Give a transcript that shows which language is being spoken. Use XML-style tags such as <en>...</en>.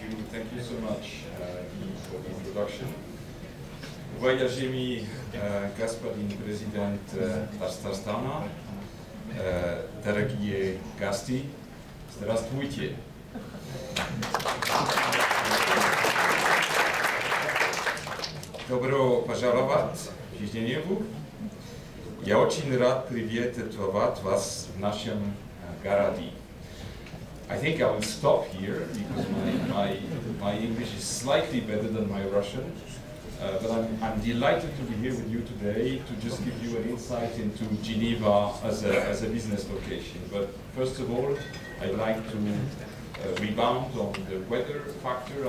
<en>Thank you so much for the introduction.</en> <ru>Voyagez mi, господин президент Тарстана, дорогие гости, здравствуйте. Добро пожаловать в Женеву. Я очень рад приветствовать вас в нашем городе.</ru> <en>I think I will stop here because my English is slightly better than my Russian. But I'm delighted to be here with you today to just give you an insight into Geneva as a business location. But first of all, I'd like to rebound on the weather factor.</en>